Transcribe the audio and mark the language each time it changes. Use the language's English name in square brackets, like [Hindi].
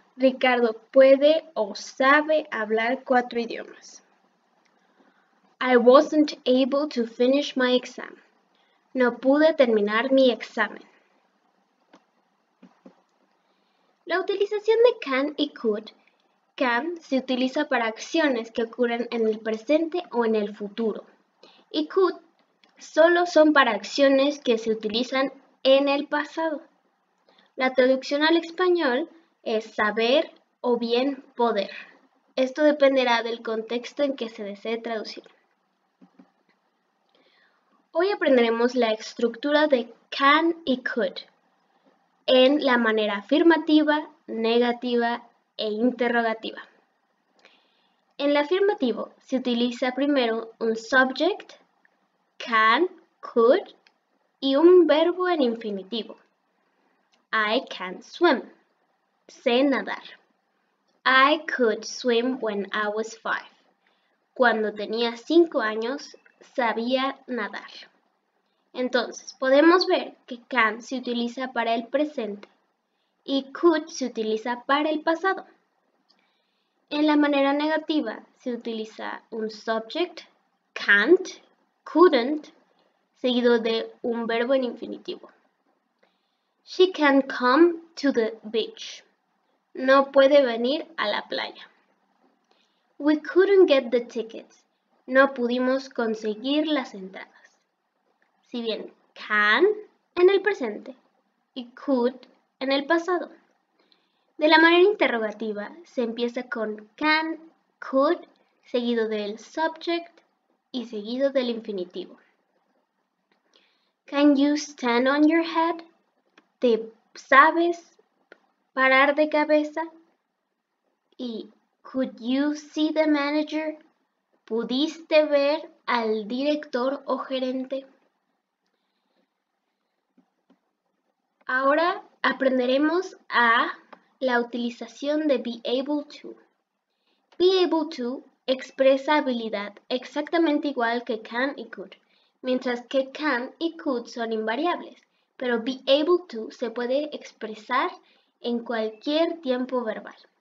[Spanish] Ricardo puede o sabe hablar cuatro idiomas. [English] I wasn't able to finish my exam. [Spanish] No pude terminar mi examen. La utilización de can y could. Can se utiliza para acciones que ocurren en el presente o en el futuro. Y could solo son para acciones que se utilizan en el pasado. La traducción al español es saber o bien poder. Esto dependerá del contexto en que se desee traducir. Hoy aprenderemos la estructura de can y could en la manera afirmativa, negativa e interrogativa. En la afirmativa se utiliza primero un subject, can, could, y un verbo en infinitivo. [English] I can swim. [Spanish] Sé nadar. [English] I could swim when I was five. [Spanish] Cuando tenía 5 años, sabía nadar. Entonces, podemos ver que can se utiliza para el presente y could se utiliza para el pasado. En la manera negativa, se utiliza un subject, can't, couldn't, seguido de un verbo en infinitivo. [English] She can come to the beach. [Spanish] No puede venir a la playa. [English] We couldn't get the tickets. [Spanish] No pudimos conseguir las entradas. Si bien can en el presente y could en el pasado. De la manera interrogativa, se empieza con can, could, seguido del subject y seguido del infinitivo. [English] Can you stand on your head? [Spanish] ¿Te sabes parar de cabeza? [English] Y could you see the manager? [Spanish] ¿Pudiste ver al director o gerente? Ahora aprenderemos a la utilización de be able to. Be able to expresa habilidad exactamente igual que can y could, mientras que can y could son invariables, pero be able to se puede expresar en cualquier tiempo verbal.